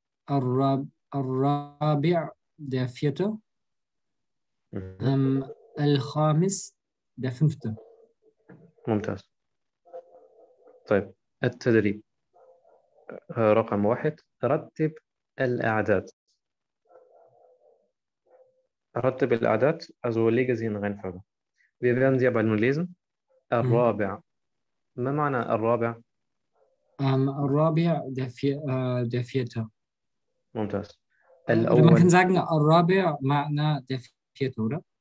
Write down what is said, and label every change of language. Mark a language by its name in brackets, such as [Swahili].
[German] الرابع der Vierte, الخامس der Fünfte. [Arabic] ممتاز طيب التدريب رقم واحد رتب الأعداد. Rattab al-a'dad, [German] also lege sie in Reihenfolge. Wir werden sie aber nun lesen. [Arabic] Al-Rabi'. Ma ma'na Al-Rabi'? [German] Al-Rabi', der Vierte. [Arabic] ممتاز. [German] Oder man kann sagen, [Arabic] Al-Rabi' ma'na [German] der Vierte, oder?